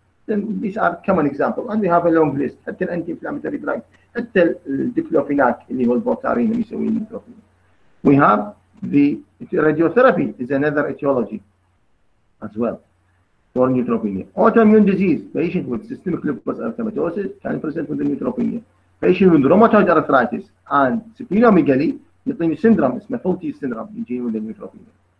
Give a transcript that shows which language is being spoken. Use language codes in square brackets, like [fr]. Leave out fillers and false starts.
[en] Then these are common examples and we have a long list. [ar] حتى anti-inflammatory drug, حتى الديكلوفيناك اللي هو البوتارين اللي يسوي الميكروفين. [en] We have the radiotherapy is another etiology as well. For neutropenia. Autoimmune disease, patient with systemic lupus erythematosus can present with the neutropenia. Patient with rheumatoid arthritis and splenomegaly, [ar] يعطيني [en] syndrome, [ar] اسمه [en] faulty syndrome, [ar] يجيني [en] with the neutropenia.